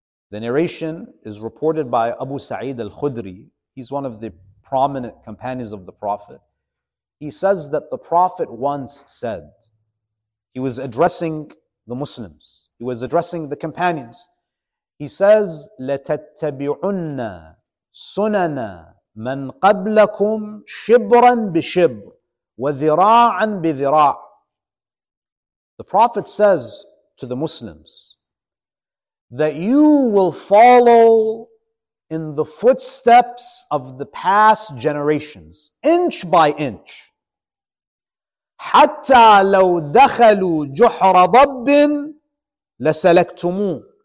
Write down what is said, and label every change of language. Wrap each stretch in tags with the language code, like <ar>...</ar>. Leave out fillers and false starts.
<en>The narration is reported by Abu Sa'id al-Khudri. He's one of the prominent companions of the Prophet. He says that the Prophet once said, he was addressing the Muslims, he was addressing the companions. He says,</en> <ar>لَتَتَّبِعُنَّ سُنَنَا مَنْ قَبْلَكُمْ شِبْرًا بِشِبْرٍ وَذِرَاعًا بِذِرَاعٍ.</ar> <en>The Prophet says to the Muslims that you will follow in the footsteps of the past generations, inch by inch.</en> <ar>حَتَّى لَوْ دَخَلُوا جُحْرَ ضَبٍ لَسَلَكْتُمُوا.</ar>